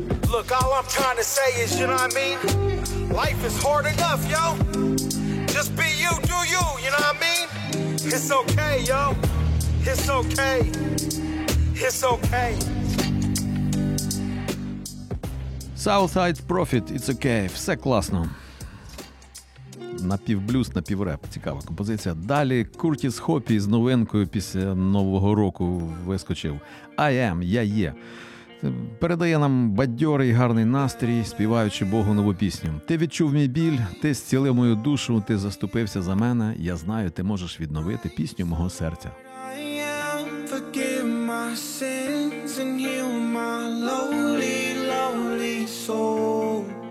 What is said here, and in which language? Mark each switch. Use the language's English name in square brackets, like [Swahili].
[English] Look, all I'm trying to say is, you know what I mean? Life is hard enough, yo. Just be you, do you, you know what I mean? It's okay, yo. It's okay. It's okay. Southside Profit, it's okay. [Ukrainian] Все класно. Напівблюз, напіврап. Цікава композиція. Далі Куртіс Хопі з новинкою після Нового року вискочив. [English] I am, [Ukrainian] я є. Передає нам бадьорий гарний настрій, співаючи Богу нову пісню. Ти відчув мій біль, ти зцілив мою душу, ти заступився за мене. Я знаю, ти можеш відновити пісню мого серця. [English] I am, forgive my sins and heal my lowly, lowly soul.